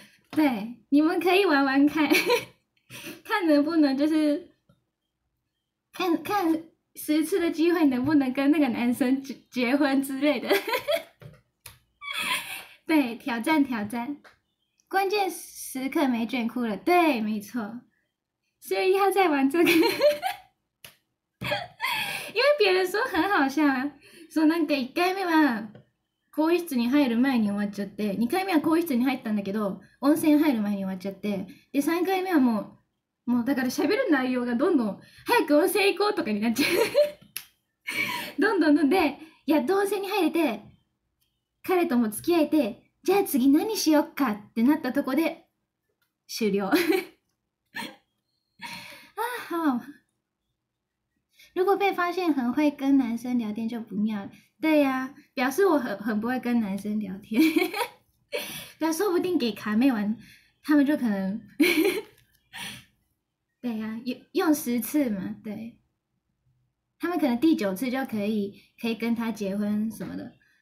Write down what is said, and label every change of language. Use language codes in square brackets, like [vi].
[zh] 对，你们可以玩玩看，看能不能就是看看十次的机会能不能跟那个男生结婚之类的。对，挑战，关键是。时刻没卷哭了，对，没错，所以要再玩这个。因为别人说很好笑啊，说那个 [ja] 1回目は更衣室に入る前に終わっちゃって、2回目は更衣室に入ったんだけど、温泉入る前に終わっちゃって、で3回目はもうだから喋る内容がどんどん早く温泉行こうとかになっちゃう。どんどんどんで、いや、温泉に入れて、彼とも付き合えて、じゃあ次何しよっかってなったとこで、終了。あー、好。 [zh] 如果被发现很会跟男生聊天就不妙了。对呀、啊，表示我很不会跟男生聊天，那说不定给卡妹玩，他们就可能，对呀、啊，用十次嘛，对，他们可能第九次就可以跟他结婚什么的。